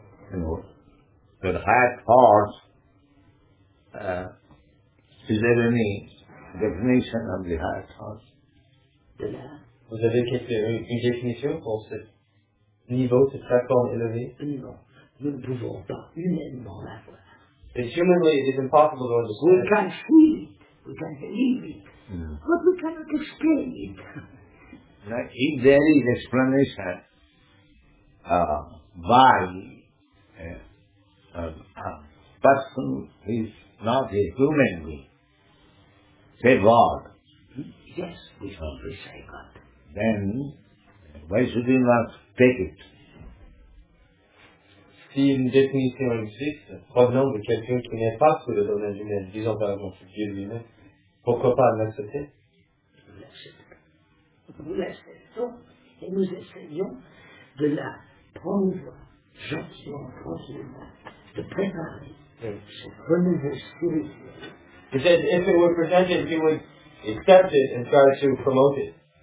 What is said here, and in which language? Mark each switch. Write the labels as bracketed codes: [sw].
[en] But higher thoughts, is there any definition of the higher thoughts? [fr] Vous avez une définition pour ce niveau, ce plateforme élevé? Non, nous ne pouvons pas humainement la voir. [en] It's humanly, it is impossible to understand. We can feel it, we can believe it, but we cannot explain it. Now, if there is explanation why a person is not a human being, say God. Yes, we always say God. Then, why should we not take it? [fr] Si une définition existe, provenant de quelqu'un qui n'est pas sous le domaine humain, disons par exemple Dieu lui-même, pourquoi pas l'accepter? Nous l'acceptons et nous essayons de la prendre gentiment, tranquillement, de préparer ce renouveau spirituel. [en] He says, if it were presented, he would accept it and try to promote it.